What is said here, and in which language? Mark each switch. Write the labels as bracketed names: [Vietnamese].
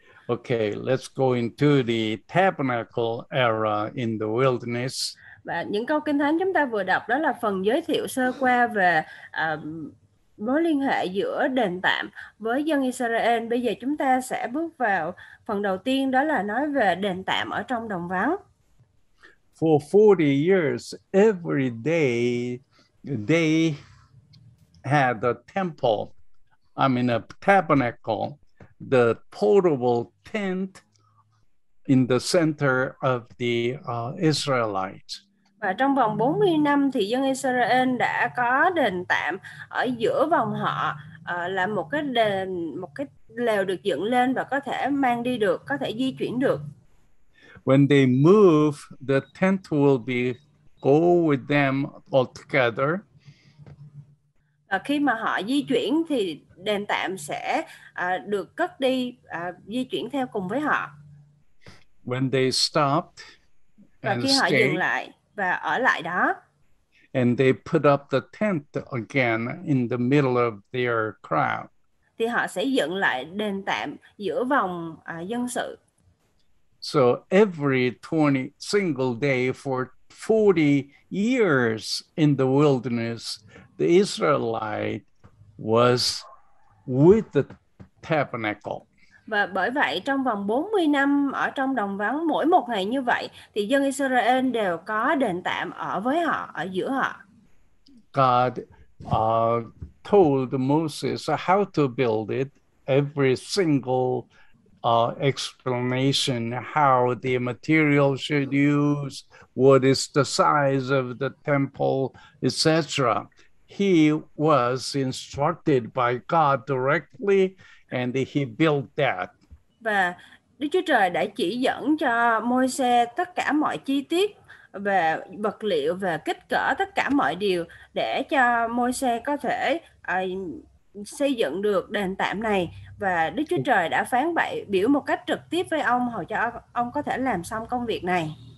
[English] Okay, let's go into the tabernacle era in the wilderness. [Vietnamese] Và những câu kinh thánh chúng ta vừa đọc đó là phần giới thiệu sơ qua về mối liên hệ giữa đền tạm với dân Israel. Bây giờ chúng ta sẽ bước vào phần đầu tiên, đó là nói về đền tạm ở trong đồng vắng. [English] For 40 years, every day they had a temple, I mean a tabernacle, the portable tent in the center of the Israelites. [Vietnamese] Và trong vòng 40 năm thì dân Israel đã có đền tạm ở giữa vòng họ, là một cái đền, một cái lều được dựng lên và có thể mang đi được, có thể di chuyển được. [English] When they move, the tent will be go with them altogether. [Vietnamese] Và khi mà họ di chuyển thì đền tạm sẽ được cất đi, di chuyển theo cùng với họ. [English] When they stopped and [Vietnamese] và khi họ dừng lại và ở lại đó. [English] And they put up the tent again in the middle of their crowd. [Vietnamese] Thì họ sẽ dựng lại đền tạm giữa vòng dân sự. [English] So every 20 single day for 40 years in the wilderness, the Israelite was with the tabernacle. [Vietnamese] Và bởi vậy trong vòng 40 năm ở trong đồng vắng, mỗi một ngày như vậy thì dân Israel đều có đền tạm ở với họ, ở giữa họ. [English] God told Moses how to build it, every single explanation how the material should use, what is the size of the temple, etc. He was instructed by God directly and he built that. [Vietnamese] Và Đức Chúa Trời đã chỉ dẫn cho Môi-se tất cả mọi chi tiết về vật liệu, về kích cỡ, tất cả mọi điều để cho Môi-se có thể xây dựng được đền tạm này. Và Đức Chúa Trời đã phán bày biểu một cách trực tiếp với ông, hầu cho ông có thể làm xong công việc này.